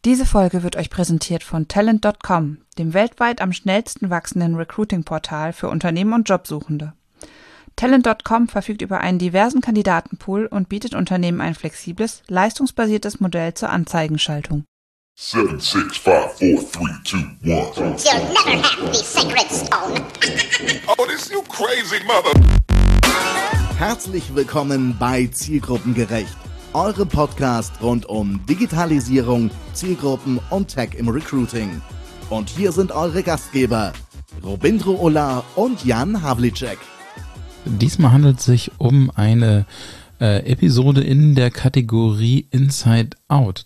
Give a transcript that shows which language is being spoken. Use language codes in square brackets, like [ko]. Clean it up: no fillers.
[de] Diese Folge wird euch präsentiert von Talent.com, dem weltweit am schnellsten wachsenden Recruiting-Portal für Unternehmen und Jobsuchende. Talent.com verfügt über einen diversen Kandidatenpool und bietet Unternehmen ein flexibles, leistungsbasiertes Modell zur Anzeigenschaltung. 7, 6, 5, 4, 3, 2, 1. [en] You'll never have the sacred stone. Oh, this you crazy mother. [de] Herzlich willkommen bei Zielgruppengerecht. Eure Podcast rund um Digitalisierung, Zielgruppen und Tech im Recruiting. Und hier sind eure Gastgeber, Robindro Ola und Jan Havlicek. Diesmal handelt es sich um eine Episode in der Kategorie Inside Out.